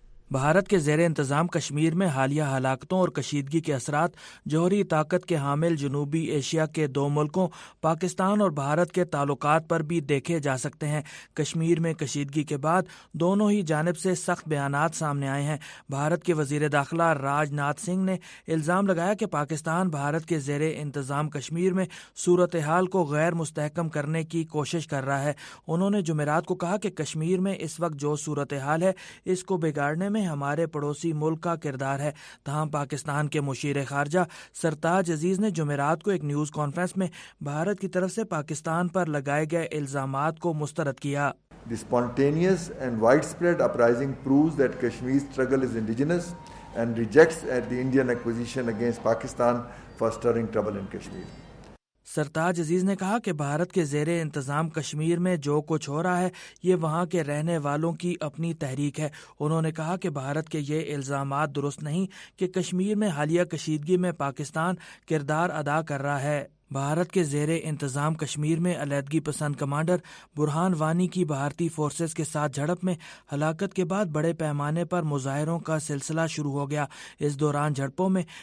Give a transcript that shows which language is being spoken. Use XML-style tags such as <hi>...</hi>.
<ur>بھارت کے زیر انتظام کشمیر میں حالیہ ہلاکتوں اور کشیدگی کے اثرات جوہری طاقت کے حامل جنوبی ایشیا کے دو ملکوں پاکستان اور بھارت کے تعلقات پر بھی دیکھے جا سکتے ہیں۔ کشمیر میں کشیدگی کے بعد دونوں ہی جانب سے سخت بیانات سامنے آئے ہیں۔ بھارت کے وزیر داخلہ راج ناتھ سنگھ نے الزام لگایا کہ پاکستان بھارت کے زیر انتظام کشمیر میں صورتحال کو غیر مستحکم کرنے کی کوشش کر رہا ہے۔ انہوں نے جمعرات کو کہا کہ کشمیر میں اس وقت جو صورتحال ہے اس کو بگاڑنے میں ہمارے پڑوسی ملک کا کردار ہے۔ تاہم پاکستان کے مشیر خارجہ سرتاج عزیز نے جمعرات کو ایک نیوز کانفرنس میں بھارت کی طرف سے پاکستان پر لگائے گئے الزامات کو مسترد کیا۔</ur> <en>The spontaneous and widespread uprising proves that Kashmir's struggle is indigenous and rejects at the Indian acquisition against Pakistan for stirring trouble in Kashmir۔</en> <ur>سرتاج عزیز نے کہا کہ بھارت کے زیر انتظام کشمیر میں جو کچھ ہو رہا ہے یہ وہاں کے رہنے والوں کی اپنی تحریک ہے۔ انہوں نے کہا کہ بھارت کے یہ الزامات درست نہیں کہ کشمیر میں حالیہ کشیدگی میں پاکستان کردار ادا کر رہا ہے۔ بھارت کے زیر انتظام کشمیر میں علیحدگی پسند کمانڈر برہان وانی کی بھارتی فورسز کے ساتھ جھڑپ میں ہلاکت کے بعد بڑے پیمانے پر مظاہروں کا سلسلہ شروع ہو گیا۔ اس دوران جھڑپوں میں</ur>